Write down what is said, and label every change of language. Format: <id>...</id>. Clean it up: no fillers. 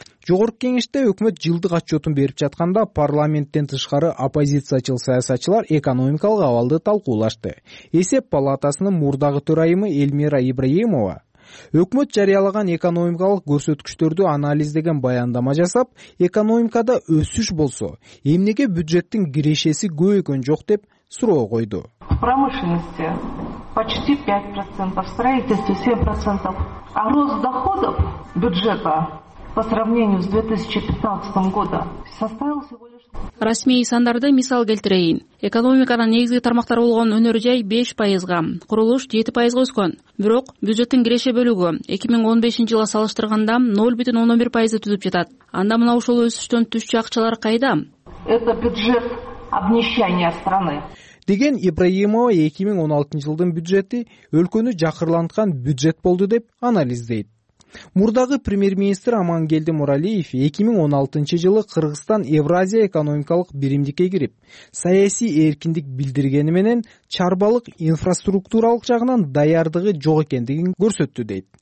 <ky>Жогорку кеңеште өкмөт жылдык отчетун берип жатканда парламенттен тышкары оппозициячыл саясатчылар экономикалык абалды талкуулашты. Эсеп палатасынын мурдагы төрайымы Эльмира Ибраимова өкмөт жарыялаган экономикалык көрсөткүчтөрдү анализдеген баяндама жасап, экономикада өсүш болсо, эмнеге бюджеттин кирешеси көбөйгөн жок деп суроо койду.</ky> <ru>Промышленности почти 5%, строительстве 7%, а рост доходов бюджета по сравнению с 2015 годом составил всего лишь...</ru> <ky>Расмий сандарды мисал келтирейин. Экономиканын негизги тармактары болгон өнөр жай 5%, курулуш 7% өскөн. Бирок бюджеттин киреше бөлүгү 2015 жылга салыштырганда 0.11% түзүп жатат. Анда мына ушул өсүштөн түшчү акчалар кайда?</ky> <ru>Это бюджет обнищания страны.</ru> <ky>Деген Ибраимова 2016 жылдын бюджети өлкөнү жакырланткан бюджет болду деп анализдейт. Мурдагы премьер-министр Амангелди Муралиев 2016 жылы Кыргызстан Евразия экономикалык биримдикке кирип, саясий эркиндик билдиргени менен чарбалык инфраструктуралык жагынан даярдыгы жок экендигин көрсөттү дейт.</ky>